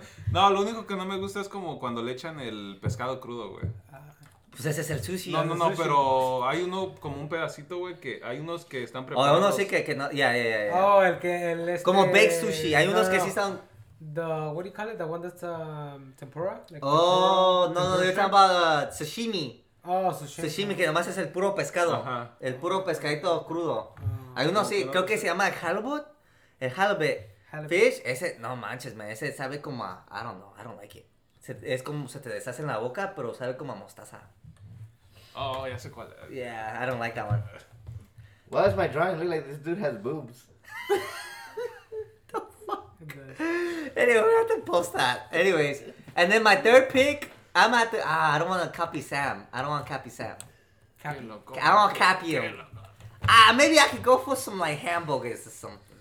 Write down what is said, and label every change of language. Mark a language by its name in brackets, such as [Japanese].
[Spanish] No, lo único que no me gusta es como cuando le echan el pescado crudo, güey. Pues ese es el sushi. No, no, no, pero hay uno como un pedacito, güey, que hay unos que están preparados. Oh, uno sí que no, ya, ya, ya. Oh, el que, el este... Como baked sushi, hay unos que sí están... [English] The, what do you call it? The one that's tempura? Like, oh, tempura? No, no, you're talking about sashimi. Oh, sashimi. [Spanish] Sashimi, que nomás es el puro pescado. Ajá. El puro pescadito crudo. Hay uno, sí, creo que se llama el halibut. El halibut. [English] Fish, [Spanish] ese, no manches, [English] man, [Spanish] ese sabe como a, [English] I don't know, I don't like it. [Spanish] Se, es como se te deshace en la boca, pero sabe como a mostaza. Oh, ya sé cuál es. [English] Yeah, I don't like that one. Why does my drawing look like this dude has boobs? The fuck? But... Anyway, we're going to have to post that. Anyways, and then my third pick, I'm at the... Ah, I don't want to copy Sam. I don't want to copy Sam. Copy. I don't want to copy him. Ah, maybe I could go for some, like, hamburgers or something.